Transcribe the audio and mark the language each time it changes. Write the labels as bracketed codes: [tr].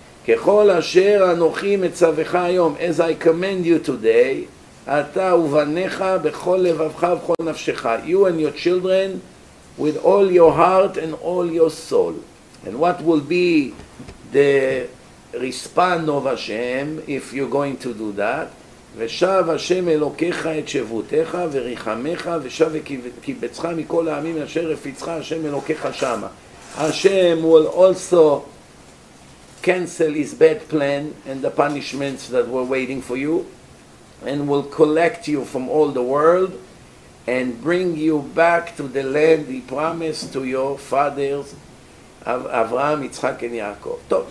[he] ככל אשר אנוכי מצווך היום, [en] as I command you today, [he] אתה ובניך בכל לבבך ובכל נפשך, [en] you and your children, with all your heart and all your soul. And what will be the response of Hashem, if you're going to do that? [he] ושב השם אלוקיך את שבותיך וריחמך, ושב וקיבצך מכל העמים אשר הפיצך השם אלוקיך שמה. [en] השם will also cancel his bad plan and the punishments that were waiting for you and will collect you from all the world and bring you back to the land he promised to your fathers Abraham, Yitzchak and Yaakov.